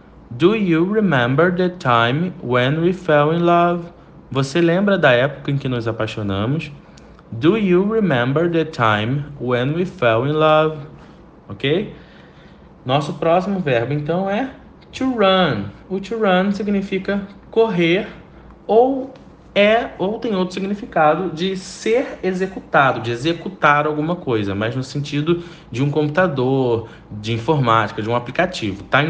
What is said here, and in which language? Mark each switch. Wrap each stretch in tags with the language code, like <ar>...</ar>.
<en>Do you remember the time when we fell in love?</en> <pt>Você lembra da época em que nos apaixonamos?</pt> <en>Do you remember the time when we fell in love?</en> <pt>Ok? Nosso próximo verbo, então, é to run. O to run significa correr ou é ou tem outro significado de ser executado, de executar alguma coisa, mas no sentido de um computador, de informática, de um aplicativo, tá?</pt>